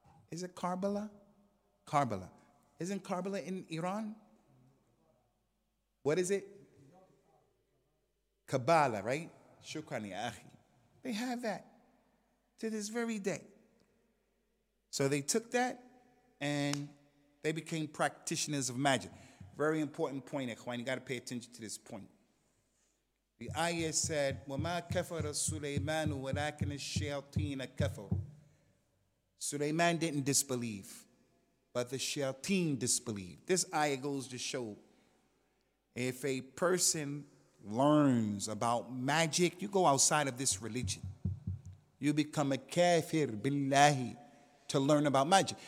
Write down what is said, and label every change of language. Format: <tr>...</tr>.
<en>Is it Karbala? Karbala. Isn't Karbala in Iran? What is it? Kabbalah, right? Shukran ya akhi. They have that to this very day. So they took that and they became practitioners of magic. Very important point, Ikhwan. You got to pay attention to this point. The ayah said,</en> <ar>وَمَا كَفَرَ سُلَيْمَانُ وَلَكِنَ الشَّيَاطِينَ كَفَرُ.</ar> <en>Sulaiman didn't disbelieve, but the shayateen disbelieved. This ayah goes to show, if a person learns about magic, you go outside of this religion. You become a kafir billahi to learn about magic.</en>